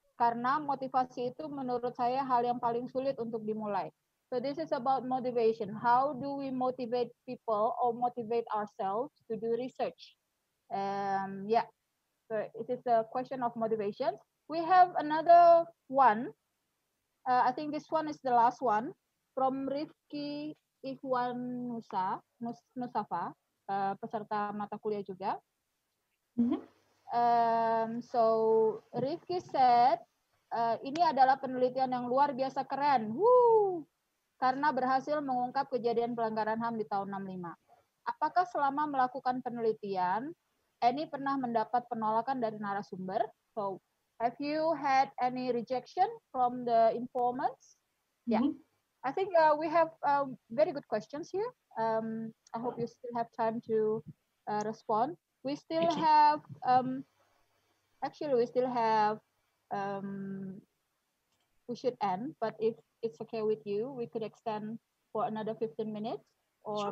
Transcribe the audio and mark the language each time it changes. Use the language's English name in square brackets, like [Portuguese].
[Indonesian] Karena motivasi itu menurut saya hal yang paling sulit untuk dimulai. [English] So this is about motivation. How do we motivate people or motivate ourselves to do research? Yeah, so it is a question of motivation. We have another one. I think this one is the last one. [Indonesian] From Rifki Ikhwan Nusa, Nusafa, peserta mata kuliah juga. Mm-hmm. [English] So Rifki said, [Indonesian] ini adalah penelitian yang luar biasa keren, woo, karena berhasil mengungkap kejadian pelanggaran HAM di tahun 65. Apakah selama melakukan penelitian, any pernah mendapat penolakan dari narasumber? [English] So have you had any rejection from the informants? Mm-hmm. Yeah, I think we have very good questions here. I hope you still have time to respond. We still have, actually, we should end, but if it's okay with you, we could extend for another 15 minutes, or sure.